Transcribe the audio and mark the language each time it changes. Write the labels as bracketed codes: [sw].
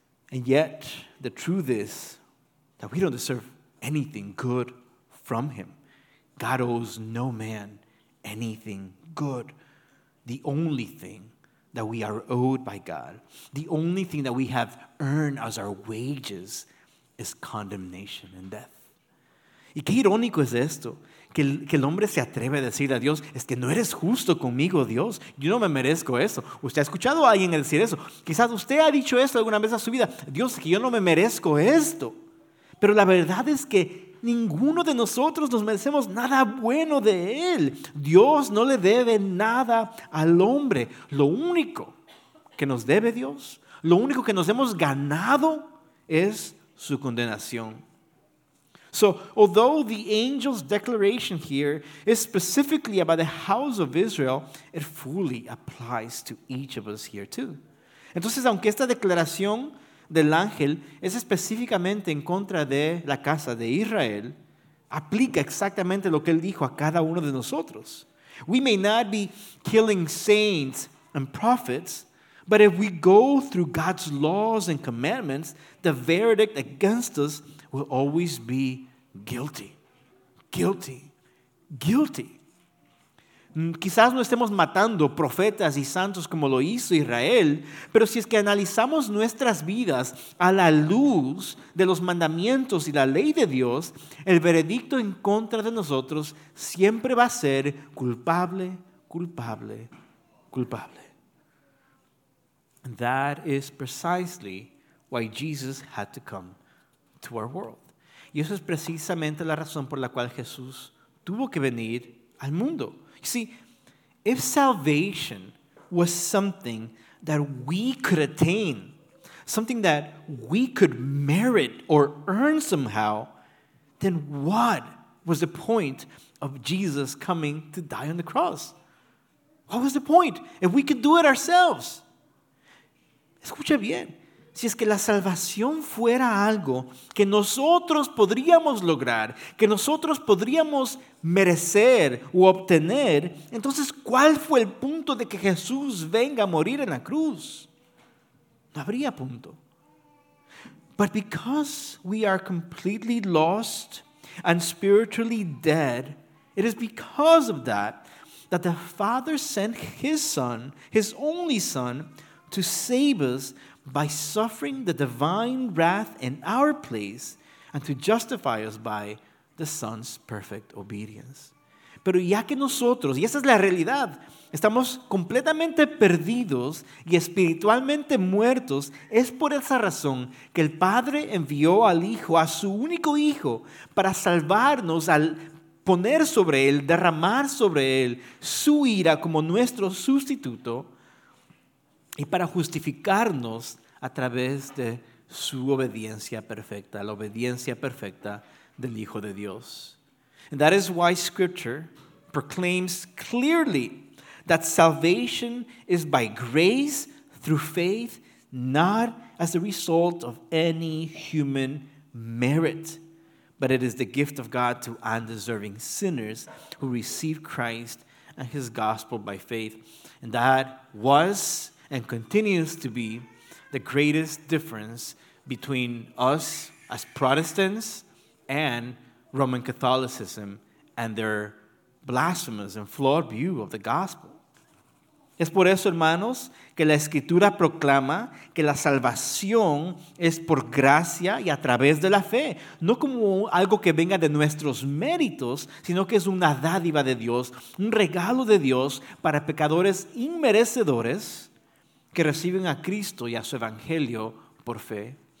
[en] And yet, the truth is that we don't deserve anything good from Him. God owes no man anything good. The only thing that we are owed by God, the only thing that we have earned as our wages, is condemnation and death. [es] ¿Y qué irónico es esto? Que el hombre se atreve a decirle a Dios, es que no eres justo conmigo, Dios. Yo no me merezco eso. ¿Usted ha escuchado a alguien decir eso? Quizás usted ha dicho eso alguna vez en su vida. Dios, es que yo no me merezco esto. Pero la verdad es que ninguno de nosotros nos merecemos nada bueno de Él. Dios no le debe nada al hombre. Lo único que nos debe Dios, lo único que nos hemos ganado es su condenación. [en] So, although the angel's declaration here is specifically about the house of Israel, it fully applies to each of us here too. [es] Entonces, aunque esta declaración del ángel es específicamente en contra de la casa de Israel, aplica exactamente lo que él dijo a cada uno de nosotros. [en] We may not be killing saints and prophets, but if we go through God's laws and commandments, the verdict against us will always be guilty, guilty, guilty. [es] Quizás no estemos matando profetas y santos como lo hizo Israel, pero si es que analizamos nuestras vidas a la luz de los mandamientos y la ley de Dios, el veredicto en contra de nosotros siempre va a ser culpable, culpable, culpable. [en] And that is precisely why Jesus had to come to our world. [es] Y eso es precisamente la razón por la cual Jesús tuvo que venir al mundo. [en] You see, if salvation was something that we could attain, something that we could merit or earn somehow, then what was the point of Jesus coming to die on the cross? What was the point if we could do it ourselves? [es] Escucha bien. Si es que la salvación fuera algo que nosotros podríamos lograr, que nosotros podríamos merecer o obtener, entonces, ¿cuál fue el punto de que Jesús venga a morir en la cruz? No habría punto. [en] But because we are completely lost and spiritually dead, it is because of that that the Father sent His Son, His only Son, to save us by suffering the divine wrath in our place and to justify us by the Son's perfect obedience. [es] Pero ya que nosotros, y esa es la realidad, estamos completamente perdidos y espiritualmente muertos, es por esa razón que el Padre envió al Hijo, a su único Hijo, para salvarnos al poner sobre Él, derramar sobre Él su ira como nuestro sustituto, y para justificarnos a través de su obediencia perfecta, la obediencia perfecta del Hijo de Dios. [en] And that is why Scripture proclaims clearly that salvation is by grace through faith, not as a result of any human merit, but it is the gift of God to undeserving sinners who receive Christ and his gospel by faith. And that was and continues to be the greatest difference between us as Protestants and Roman Catholicism and their blasphemous and flawed view of the gospel. [es] Es por eso, hermanos, que la Escritura proclama que la salvación es por gracia y a través de la fe, no como algo que venga de nuestros méritos, sino que es una dádiva de Dios, un regalo de Dios para pecadores inmerecedores que reciben a Cristo y a su evangelio por fe.